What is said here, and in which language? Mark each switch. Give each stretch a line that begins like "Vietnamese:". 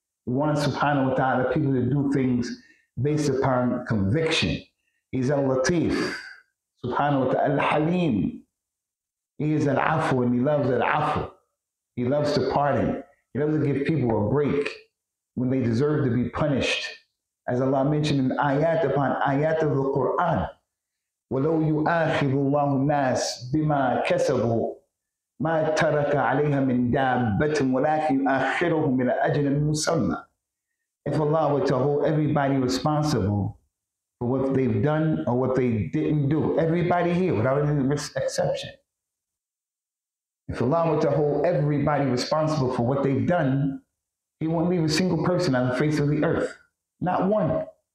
English: He wants, subhanahu wa ta'ala, people to do things based upon conviction. He's Al-Latif, subhanahu wa ta'ala, Al-Halim. He is Al-Afu, and he loves Al-Afu. He loves to pardon. He loves to give people a break when they deserve to be punished. As Allah mentioned in ayat upon ayat of the Quran,
Arabic: وَلَوْ يُؤَاخِذُ اللَّهُ النَّاسِ بِمَا كَسَبُوا مَا تَرَكَ عَلَيْهَا مِنْ دَابَّةٍ وَلَاكِ يُؤَخِّرُهُمْ مِنَ أَجْلٍ مُسَمَّى.
English: If Allah were to hold everybody responsible for what they've done or what they didn't do, everybody here without any exception, if Allah were to hold everybody responsible for what they've done, he won't leave a single person on the face of the earth. Not one.